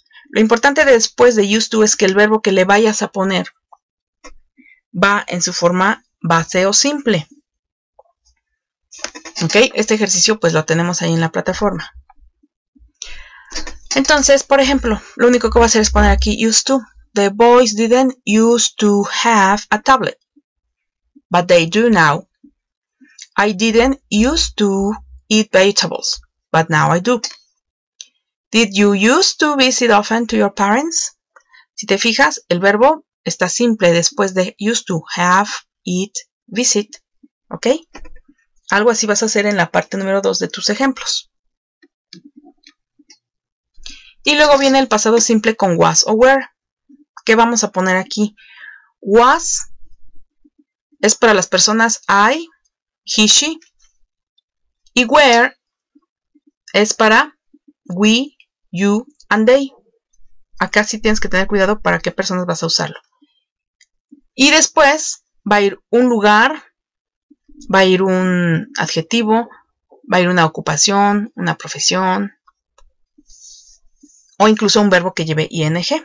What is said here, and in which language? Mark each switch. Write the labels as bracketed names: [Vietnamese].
[Spanish] Lo importante después de used to es que el verbo que le vayas a poner va en su forma base o simple. ¿Ok? Este ejercicio pues lo tenemos ahí en la plataforma. Entonces, por ejemplo, lo único que voy a hacer es poner aquí used to. [English] The boys didn't used to have a tablet, but they do now. I didn't used to eat vegetables, but now I do. Did you used to visit often to your parents? [Spanish] Si te fijas, el verbo está simple después de used to, have, eat, visit. ¿Ok? Algo así vas a hacer en la parte número 2 de tus ejemplos. Y luego viene el pasado simple con was o were. ¿Qué vamos a poner aquí? Was es para las personas I, he, she. Y were es para we, you and they. Acá sí tienes que tener cuidado para qué personas vas a usarlo. Y después va a ir un lugar, va a ir un adjetivo, va a ir una ocupación, una profesión o incluso un verbo que lleve ing.